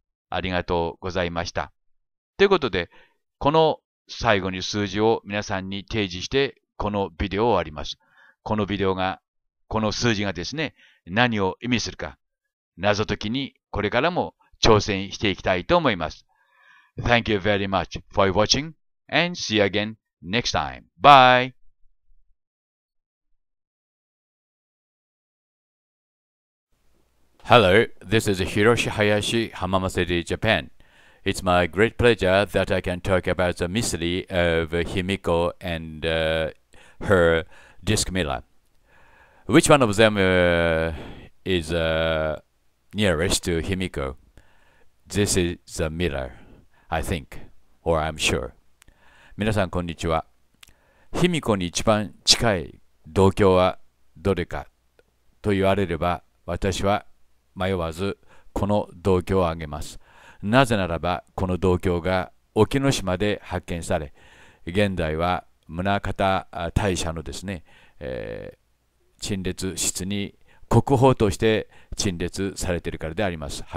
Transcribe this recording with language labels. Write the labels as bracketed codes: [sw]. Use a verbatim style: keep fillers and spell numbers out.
[ja] ありがとうございました。ということで、この最後に数字を皆さんに提示して、このビデオを終わります。このビデオが、この数字がですね、何を意味するか、謎解きにこれからも挑戦していきたいと思います。 [en] Thank you very much for watching and see you again next time. Bye! Hello, this is Hiroshi Hayashi, Hamama City, Japan. It's my great pleasure that I can talk about the mystery of Himiko and uh, her disc mirror. Which one of them uh, is uh, nearest to Himiko? This is the mirror, I think, or I'm sure. [ja] 皆さんこんにちは。 Himikoに一番近い同郷はどれかと言われれば、私は迷わずこの銅鏡を挙げます。なぜならばこの銅鏡が沖ノ島で発見され、現在は宗像大社のですね、えー、陳列室に国宝として陳列されているからであります。